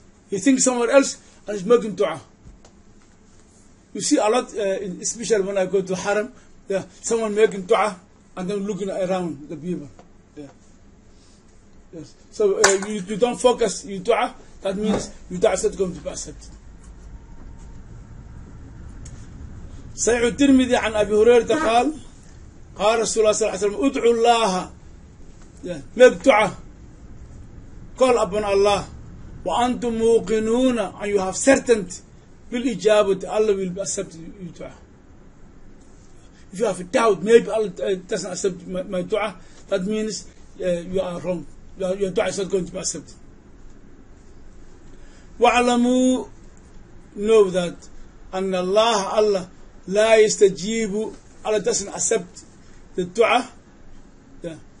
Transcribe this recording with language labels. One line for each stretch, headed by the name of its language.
English: He thinks somewhere else and he's making dua. You see a lot, especially when I go to haram, yeah, someone making dua and then looking around the people. Yes. So you don't focus your dua, that means your dua is not going to be accepted.
Arabic: صحيح الترمذي عن أبي هريرة قال قال رسول الله صلى الله عليه وسلم ادعوا الله
English: make dua call upon Allah
Arabic: وأنتم موقنون
English: and you have certainty
Arabic: بالإجابة
English: Allah will accept your dua. If you have a doubt maybe Allah doesn't accept my dua, that means you are wrong. Your dua is not going to be accepted.
Arabic: وَعَلَمُوا
English: know that
Arabic: أَنَّ اللَّهَ
English: Allah
Arabic: لَا يَسْتَجِيبُ
English: Allah doesn't accept the dua yeah.